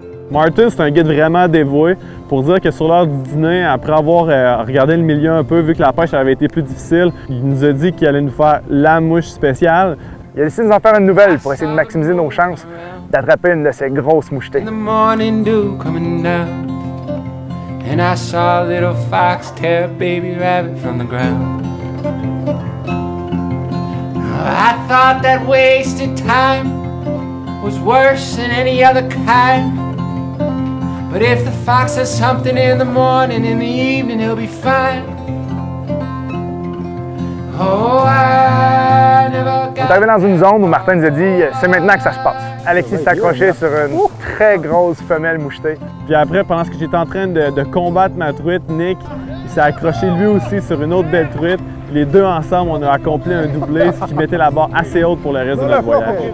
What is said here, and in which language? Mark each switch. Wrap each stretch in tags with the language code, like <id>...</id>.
<fr>Martin, c'est un guide vraiment dévoué. Pour dire que sur l'heure du dîner, après avoir regardé le milieu un peu, vu que la pêche avait été plus difficile, il nous a dit qu'il allait nous faire la mouche spéciale. Il a décidé de nous en faire une nouvelle pour essayer de maximiser nos chances d'attraper une de ces grosses mouchetées.</fr> <en>The morning dew coming down, and I saw a little fox tear a baby rabbit from the ground. I thought that wasted time was worse than any other kind. But if the fox has something in the morning, in the evening he'll be fine. Oh,</en> <fr>on est arrivé dans une zone où Martin nous a dit « c'est maintenant que ça se passe ». Alexis s'est accroché sur une très grosse femelle mouchetée. Puis après, pendant que j'étais en train de combattre ma truite, Nick il s'est accroché lui aussi sur une autre belle truite. Puis les deux ensemble, on a accompli un doublé, ce qui mettait la barre assez haute pour le reste de notre voyage.</fr>